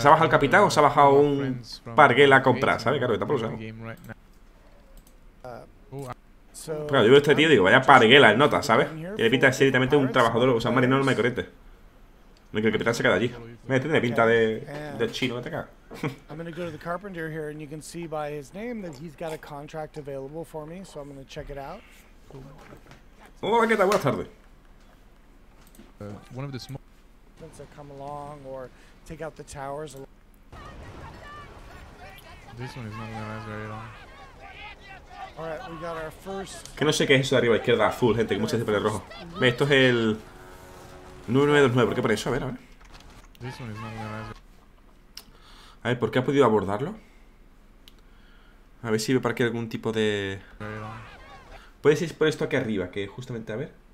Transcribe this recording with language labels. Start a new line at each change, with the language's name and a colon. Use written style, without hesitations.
Spanish: ¿Se ha bajado el capitán o se ha bajado un parguela a comprar? ¿Sabes? Claro, que está por usar. Claro, yo veo a este tío y digo, vaya parguela el nota, ¿sabes? Tiene pinta de ser directamente un trabajador, o sea, un marinero normal y corriente. No, que el capitán se queda allí. Mira, este tiene pinta de chino, vete acá.
English: I'm gonna go to the carpenter here and you can see by his name that he's got a contract available for me, so I'm gonna check it out.
Spanish: Hola, ¿qué tal? Buenas tardes.
English: One of the small things that come along or take out the towers. This one is not gonna last very long. All right, we got our first.
Spanish: Que no sé qué es eso de arriba a izquierda, azul, gente, que muchas veces pone rojo. Ve, esto es el 9929, ¿por qué pone eso? A ver.
English: This one is not gonna last.
Spanish: A ver, ¿por qué ha podido abordarlo? A ver si me parece algún tipo de. Puede ser por esto aquí arriba, que justamente, a ver.